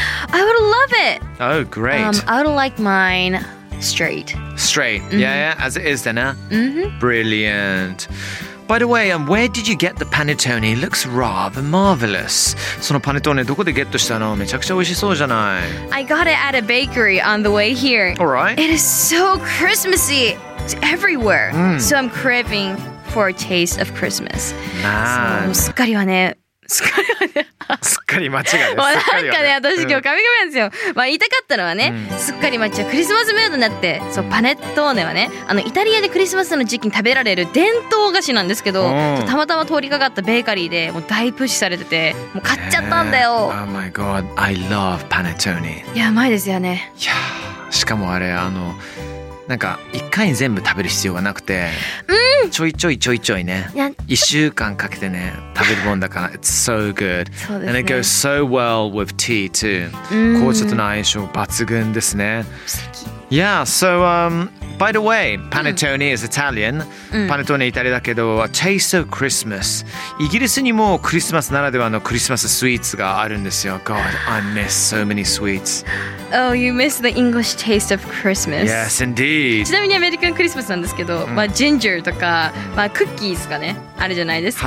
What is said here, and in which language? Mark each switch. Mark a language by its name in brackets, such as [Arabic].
[English] I would love it. Oh, great. I would like mine straight. Straight. Yeah, yeah, as it is then, huh? Brilliant. By the way, where did you get the panettone? It looks rather marvelous. [Japanese] そのパネトーネどこでゲットしたの？めちゃくちゃ美味しそうじゃない。 [English] I got it at a bakery on the way here. Alright. It is so Christmassy. It's everywhere. So I'm craving for a taste of Christmas. Man. [Japanese] すっかりはね、すっかり間違いです。なんかね、私今日カミカミなんですよ。まあ言いたかったのはね、すっかり間違い、クリスマスムードになって、そうパネットーネはね、イタリアでクリスマスの時期に食べられる伝統菓子なんですけど、たまたま通りかかったベーカリーでもう大プッシュされてて、もう買っちゃったんだよ。 [English] Oh my god, I love panettone. [Japanese] やばいですよね。いや、しかもあれ、なんか一回に全部食べる必要がなくて、ちょいちょいちょいちょいね、一週間かけてね食べるもんだから、 [English] It's so good、 [Japanese] ね、 [English] and it goes so well with tea too。 [Japanese] 紅茶との相性抜群ですね。 [English] Yeah, so by the way, panettone is Italian. [Japanese] パネトーネイタリアだけど、 [English] a taste of Christmas。 [Japanese] イギリスにもクリスマスならではのクリスマススイーツがあるんですよ。 [English] God, I miss so many sweets. Oh, you miss the English taste of Christmas. Yes, indeed. [Japanese] ちなみにアメリカンクリスマスなんですけど、まあジンジャーとか、まあクッキーとかね、あるじゃないですか。